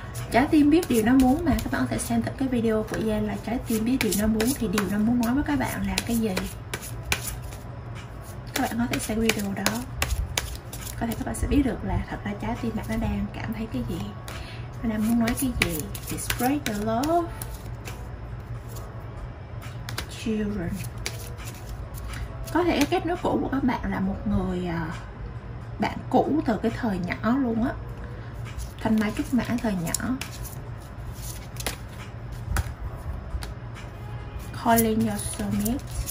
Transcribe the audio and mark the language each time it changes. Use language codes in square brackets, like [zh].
[vi] Trái tim biết điều nó muốn mà. Các bạn có thể xem tập cái video của Gian là trái tim biết điều nó muốn, thì điều nó muốn nói với các bạn là cái gì. Các bạn có thể xem video đó, có thể các bạn sẽ biết được là thật ra trái tim bạn nó đang cảm thấy cái gì, nó đang muốn nói cái gì. [en] To spread the love, children. [vi] Có thể cái kết nối cũ của các bạn là một người bạn cũ từ cái thời nhỏ luôn á, thanh mai trúc mã thời nhỏ. [en] Calling your soulmate.